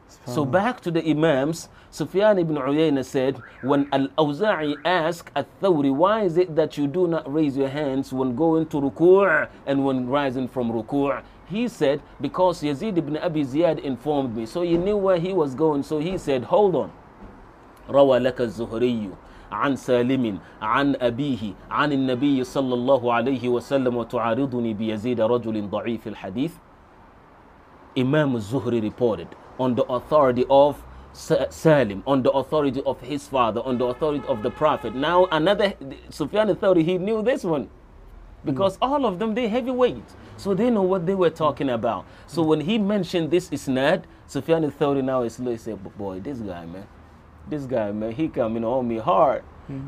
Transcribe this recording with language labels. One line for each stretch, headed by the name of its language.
English: So back to the Imams, Sufyan ibn Uyayna said, when Al-Awza'i asked Al-Thawri, why is it that you do not raise your hands when going to ruku' and when rising from ruku', he said, because Yazid ibn Abi Ziyad informed me. So he knew where he was going, so he said, hold on.
Arabic: Rawa laka al-Zuhriyu عن سالم عن أبيه عن النبي صلى الله عليه وسلم وتعارضني بيزيد رجل ضعيف الحديث.
English: Imam Zuhri reported on the authority of Salim, on the authority of his father, on the authority of the Prophet. Now another Sufyan al-Thawri, he knew this one, because all of them, they heavyweight, so they know what they were talking about. So when he mentioned this isnad, Sufyan al-Thawri now is like, say, boy, this guy, man, he coming on me hard. Mm-hmm.